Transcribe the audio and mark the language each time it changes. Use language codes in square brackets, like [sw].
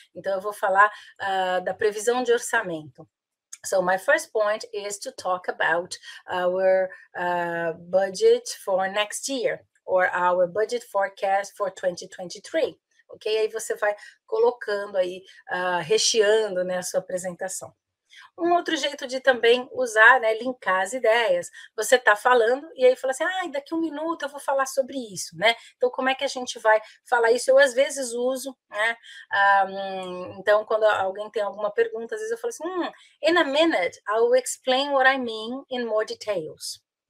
[pt] Então, eu vou falar da previsão de orçamento. [en] So my first point is to talk about our budget for next year, or our budget forecast for 2023, ok? [pt] Aí você vai colocando aí, recheando, né, a sua apresentação. Um outro jeito de também usar, né, linkar as ideias. Você está falando e aí fala assim, ah, daqui um minuto eu vou falar sobre isso, né? Então, como é que a gente vai falar isso? Eu, às vezes, uso, né? Então, quando alguém tem alguma pergunta, às vezes eu falo assim, [en] in a minute, I will explain what I mean in more details.